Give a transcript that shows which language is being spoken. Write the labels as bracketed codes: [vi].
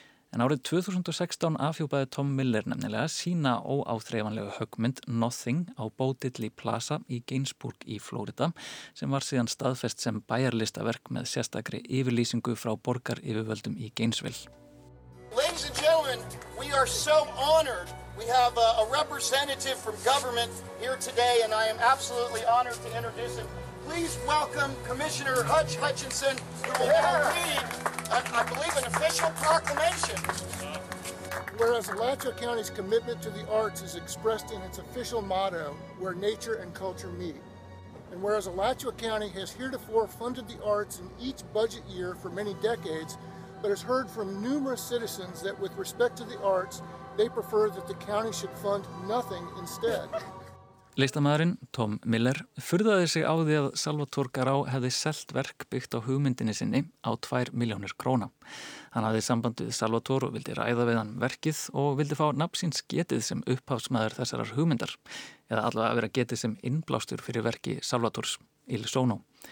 [is] En árið 2016 afhjúpaði Tom Miller nefnilega sína óáþreifanlegu höggmynd Nothing á Bodidley Plaza í Gainsbourg í Flórida sem var síðan staðfest sem bæjarlistaverk með sérstakri yfirlýsingu frá borgar yfirvöldum í Gainesville. [en] Ladies and gentlemen, we are so honored. We have a representative from government here today and I am absolutely honored to introduce him. Please welcome Commissioner Hutch Hutchinson who will read, I believe, an official proclamation. Whereas Alachua County's commitment to the arts is expressed in its official motto, where nature and culture meet. And whereas Alachua County has heretofore funded the arts in each budget year for many decades, but has heard from numerous citizens that with respect to the arts, they prefer that the county should fund nothing instead. [is] Listamaðurinn, Tom Miller, furðaði sig á því að Salvatore Garau hefði selt verk byggt á hugmyndinni sinni á 2 miljónir króna. Hann hafði samband við Salvatore og vildi ræða við hann verkið og vildi fá nafnsins getið sem upphafsmaður þessarar hugmyndar eða allavega að vera getið sem innblástur fyrir verki Salvatores Il Sono.